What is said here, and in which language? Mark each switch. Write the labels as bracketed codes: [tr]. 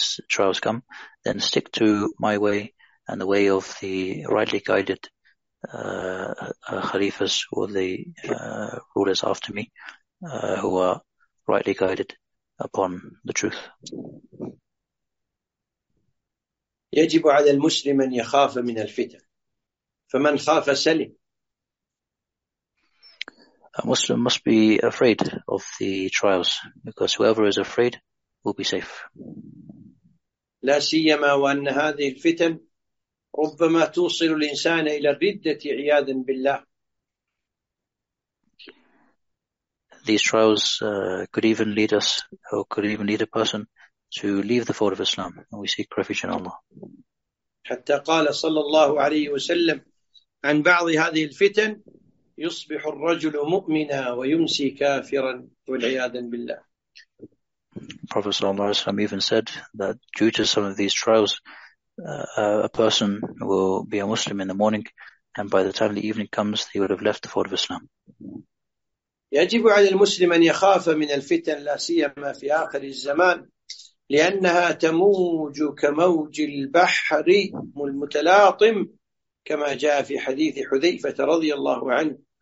[en] trials come, then stick to my way and the way of the rightly guided khalifas or the rulers after me who are rightly guided upon the truth. [ar] يجب على المسلم أن يخاف من الفتن فمن خاف سلم. [en] A Muslim must be afraid of the trials because whoever is afraid will be safe. [ar] لا سيما وأن هذه الفتن ربما توصل الإنسان إلى الردة عياذا بالله. [en] These trials could even lead a person to leave the fold of Islam, and we seek refuge in Allah. [ar] حتى قال صلى الله عليه وسلم عن بعض هذه الفتن يصبح الرجل مؤمنا ويمسي كافرا والعياذ بالله. [en] Prophet [ar] sallallahu alaihi wasallam [en] even said that due to some of these trials, a person will be a Muslim in the morning, and by the time the evening comes, he would have left the fold of Islam. [ar] يجب على المسلم أن يخاف من الفتن لا سيما في آخر الزمان لأنها تموج كموج البحر المتلاطم كما جاء في حديث حذيفة رضي الله عنه.